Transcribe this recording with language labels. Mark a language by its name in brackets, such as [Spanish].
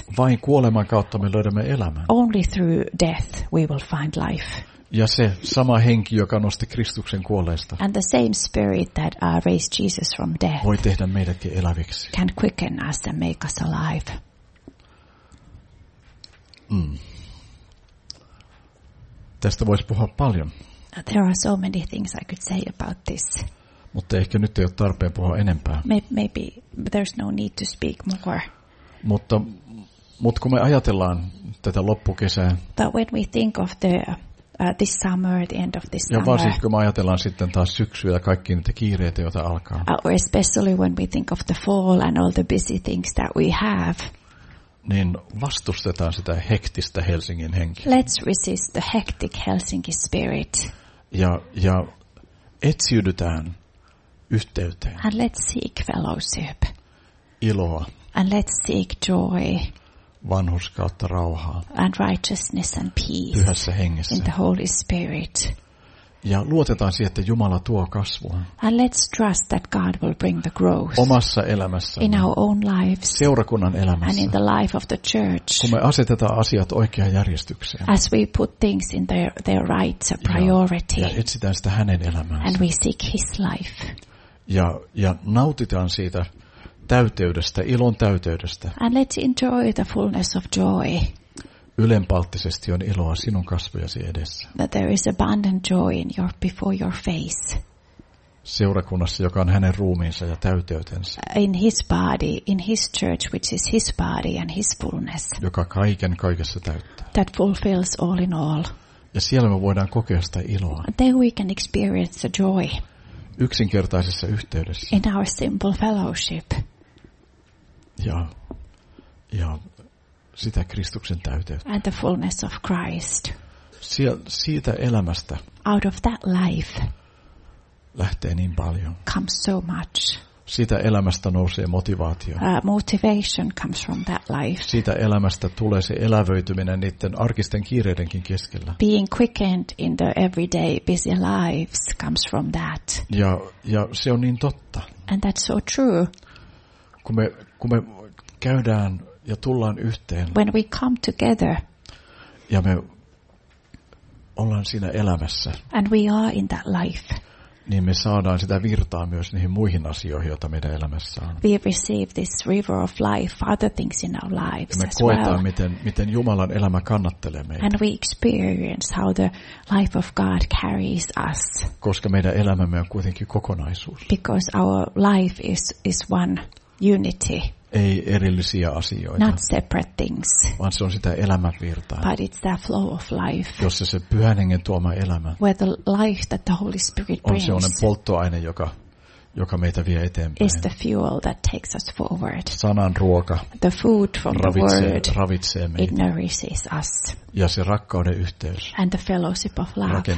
[Finnish] Vain kuoleman kautta me löydämme elämää. [English] Only through death we will find life. [Finnish] Ja se sama henki, joka nosti Kristuksen kuolleesta. [English] And the same spirit that raised Jesus from death. [Finnish] Voi tehdä meidätkin eläviksi. [English] Can quicken us and make us alive. Mm. [Finnish] Tästä voisi puhua paljon. [English] There are so many things I could say about this. [Finnish] Mutta ehkä nyt ei ole tarpeen puhua enempää. [English] Maybe there's no need to speak more. [Finnish] Mutta kun me ajatellaan tätä loppukesää. [English] But when we think of this summer, the end of this summer. [Finnish] Ja varsinkin kun me ajatellaan sitten taas syksyä ja kaikki niitä kiireitä, joita alkaa. [English] Or especially when we think of the fall and all the busy things that we have. [Finnish] Niin vastustetaan sitä hektistä Helsingin henkeä. [English] Let's resist the hectic Helsinki spirit. [Finnish] Ja etsiydytään yhteyteen. [English] And let's seek fellowship. [Finnish] Iloa. [English] And let's seek joy. [Finnish] Vanhurskautta, rauhaa. [English] And righteousness and peace. [Finnish] Pyhässä hengessä. [English] In the Holy Spirit. [Finnish] Ja luotetaan siihen, että Jumala tuo kasvua. [English] And let's trust that God will bring the growth. [Finnish] Omassa elämässä. [English] In our own lives. [Finnish] Seurakunnan elämässä. [English] And in the life of the church. [Finnish] Kun me asetetaan asiat oikeaan järjestykseen. [English] As we put things in their right priority. [Finnish] Ja etsitään sitä hänen elämäänsä. [English] And we seek his life. [Finnish] Ja nautitaan siitä täyteydestä, ilon täyteydestä. [English] And let's enjoy the fullness of joy. [Finnish] Ylenpalttisesti on iloa sinun kasvojasi edessä. [English] That there is abundant joy in your before your face. [Finnish] Seurakunnassa, joka on hänen ruumiinsa ja täyteytensä. [English] In his body, in his church, which is his body and his fullness. [Finnish] Joka kaiken kaikessa täyttää. [English] That fulfills all in all. [Finnish] Ja siellä me voidaan kokea sitä iloa. [English] Then we can experience the joy. [Finnish] Yksinkertaisessa yhteydessä. [English] In our simple fellowship. [Finnish] Ja sitä Kristuksen täyteyttä. [English] And the fullness of Christ. [Finnish] Siitä elämästä. [English] Out of that life. [Finnish] Lähtee niin paljon. [English] Comes so much. [Finnish] Siitä elämästä nousee motivaatio. [English] Motivation comes from that life. [Finnish] Siitä elämästä tulee se elävöityminen niiden arkisten kiireidenkin keskellä. [English] Being quickened in the everyday busy lives comes from that. [Finnish] Ja se on niin totta. [English] And that's so true. [Finnish] Kun me käydään ja tullaan yhteen. [English] When we come together. [Finnish] Ja me ollaan siinä elämässä. [English] And we are in that life. [Finnish] Niin me saadaan sitä virtaa myös niihin muihin asioihin, joita meidän elämässä on. [English] We receive this river of life, other things in our lives as well. [Finnish] Me koetaan, [English] well. [Finnish] Miten Jumalan elämä kannattelee meitä. [English] And we experience how the life of God carries us. [Finnish] Koska meidän elämämme on kuitenkin kokonaisuus. [English] Because our life is one unity. [Finnish] Ei erillisiä asioita. [English] Not separate things. [Finnish] Vaan se on sitä elämänvirtaa. [English] But it's that flow of life. [Finnish] Jossa se Pyhän Hengen tuoma elämä. [English] Where the life that the Holy Spirit brings. [Finnish] On sellainen polttoaine, joka meitä vie eteenpäin. [English] Is the fuel that takes us forward. [Finnish] Sanan ruoka. [English] The food from the word. [Finnish] Ravitsee meitä. [English] It nourishes us. [Finnish] Ja se rakkauden yhteys. [English] And the fellowship of love.